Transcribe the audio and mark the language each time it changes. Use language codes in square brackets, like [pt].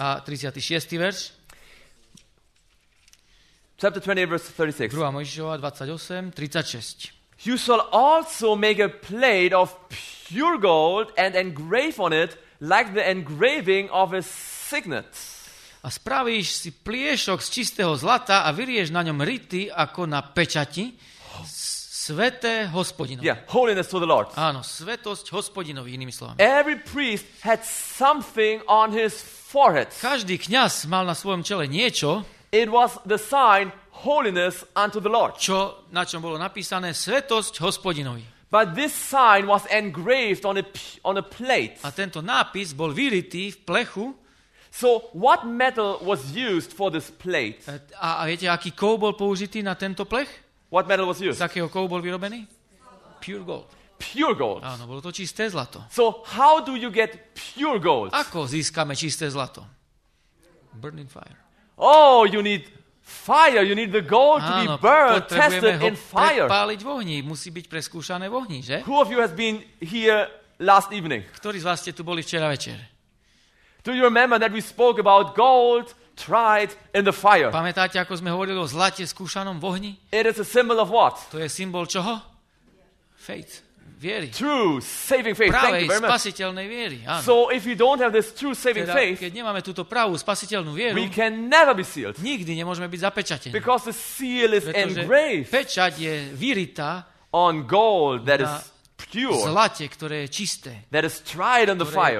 [sk] A 36. verš. [en] Chapter 28, verse 36. [sk] 2. Mojžišova 28, 36. [en] You shall also make a plate of pure gold and engrave on it like the engraving of a signet. [sk] A spravíš si pliešok z čistého zlata a vyrieš na ňom rity ako na pečati sväté hospodinovi. [en] Yeah, holiness to the Lord. [sk] Áno, svetosť hospodinovi, inými slovami. [en] Every priest had something on his forehead. [sk] Každý kňaz mal na svojom čele niečo. [en] It was the sign holiness unto the Lord. [sk] Čo na čom bolo napísané svetosť hospodinovi. [en] But this sign was engraved on a plate. [sk] A tento nápis bol vyritý v plechu. [en] So what metal was used for this plate? [sk] A viete, aký kov bol použitý na tento plech? [en] What metal was used? [sk] Z akého kovu bol vyrobený? [en] Pure gold. Pure gold. [sk] Áno, bolo to čisté zlato. [en] So how do you get pure gold? [sk] Ako získame čisté zlato? [en] Burning fire. Oh, you need fire. You need the gold to be burned, tested in fire. [sk] Páliť v ohni, musí byť preskúšané v ohni, že? [en] Who of you has been here last evening? [sk] Ktorí z vás ste tu boli včera večer? [en] Do you remember that we spoke about gold tried in the fire? [sk] Pamätáte, ako sme hovorili o zlate skúšanom v ohni? [en] It is a symbol of what? [sk] To je symbol čoho? [en] Faith. [sk] Viery. [en] True saving faith. [sk] Pravej spasiteľnej viery. Áno. [en] So if you don't have this true saving [sk] teda, [en] faith, [sk] keď nemáme túto pravú spasiteľnú vieru, [en] we can never be sealed. [sk] Nikdy nemôžeme byť zapečatení. [en] Because the seal is engraved. [sk] Pečať je vyrytá [en] on gold that is pure. [sk] Zlate, ktoré je čisté. [en] That is tried in the fire.